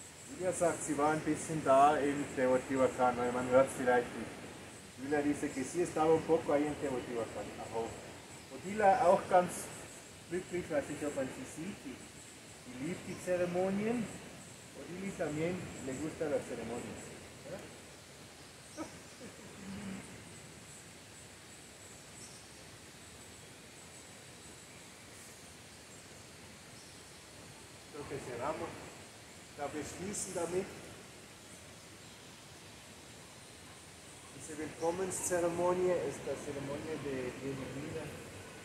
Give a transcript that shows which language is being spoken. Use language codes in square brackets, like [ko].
[de] Julia sagt, sie war ein bisschen da in Teotihuacan, weil man hört es vielleicht nicht. [es] Julia dice que sí estaba un poco ahí en Teotihuacan. [de] Odila auch ganz glücklich, weiß ich, ob man sie sieht. Sie liebt die Zeremonien. [es] Odili también le gusta las ceremonias. Creo que cerramos. [de] Wir schließen damit diese Willkommenszeremonie, ist die Zeremonie der Bienvenida.